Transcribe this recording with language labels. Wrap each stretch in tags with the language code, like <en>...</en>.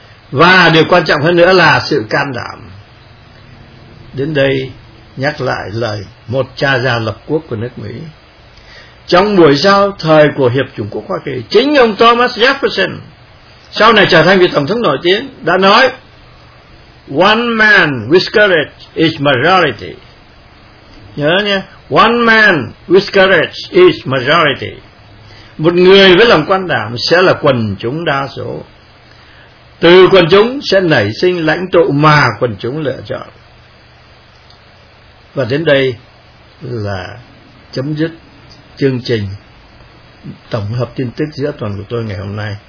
<vi>Và điều quan trọng hơn nữa là sự can đảm. Đến đây nhắc lại lời một cha già lập quốc của nước Mỹ. Trong buổi giao thời của Hiệp Chủng Quốc Hoa Kỳ, chính ông Thomas Jefferson, sau này trở thành vị tổng thống nổi tiếng, đã nói:</vi> <en>"One man with courage is majority."</en> <vi>Nhớ nhé,</vi> <en>"One man with courage is majority."</en> <vi>Một người với lòng can đảm sẽ là quần chúng đa số. Từ quần chúng sẽ nảy sinh lãnh tụ mà quần chúng lựa chọn. Và đến đây là chấm dứt chương trình tổng hợp tin tức giữa tuần của tôi ngày hôm nay.</vi>